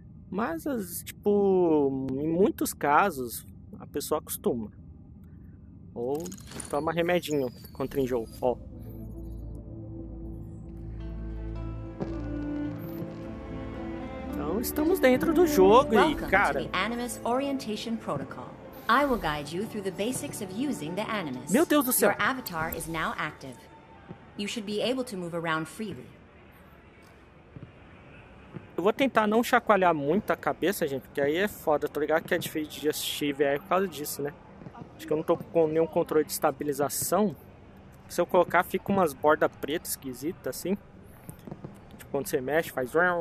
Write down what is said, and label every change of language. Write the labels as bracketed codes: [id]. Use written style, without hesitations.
[pt] Mas, tipo, em muitos casos, a pessoa acostuma. Ou toma remedinho contra enjoo, ó. Então, estamos dentro do jogo. [en] Welcome [pt] e, cara... [en] Welcome to the Animus Orientation Protocol. I will guide you through the basics of using the Animus. [pt] Meu Deus do céu. [en] Your avatar is now active. You should be able to move around freely. [pt] Eu vou tentar não chacoalhar muito a cabeça, gente, porque aí é foda, tá ligado? Que é difícil de assistir VR por causa disso, né? Acho que eu não tô com nenhum controle de estabilização. Se eu colocar, fica umas bordas pretas esquisitas, assim. Tipo, quando você mexe, faz...